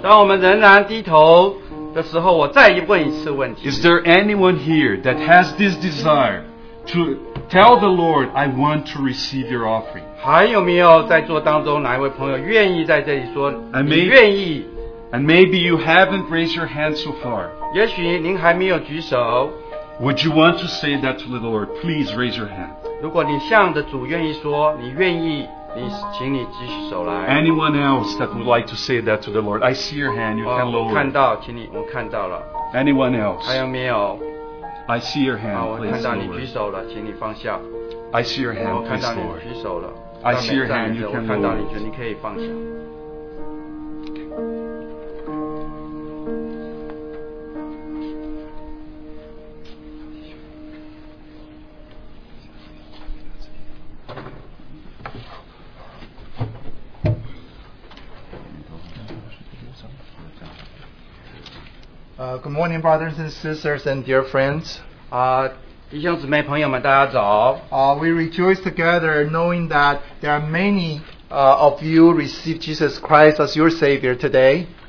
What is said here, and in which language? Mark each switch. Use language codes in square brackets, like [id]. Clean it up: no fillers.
[zh] 当我们仍然低头的时候，我再问一次问题。 [en] Is there anyone here that has this desire to tell the Lord, I want to receive your offering? [zh] 还有没有在座当中哪一位朋友愿意在这里说你愿意？ [en] And maybe you haven't raised your hand so far. [zh] 也许您还没有举手。 [en] Would you want to say that to the Lord? Please raise your hand. [zh] 如果你向着主愿意说你愿意。请你举起手来。 [en] Anyone else that would like to say that to the Lord? I see your hand, you can lower. [zh] 看到，请你，我看到了。 [en] Anyone else? [zh] 还有没有? [en] I see your hand, please, Lord. I see your hand, please, Lord. I see your hand, you can move. Good morning, brothers and sisters, and dear friends. [zh] 弟兄姊妹朋友们，大家早。 [en] We rejoice together, knowing that there are many of you receive Jesus Christ as your Savior today.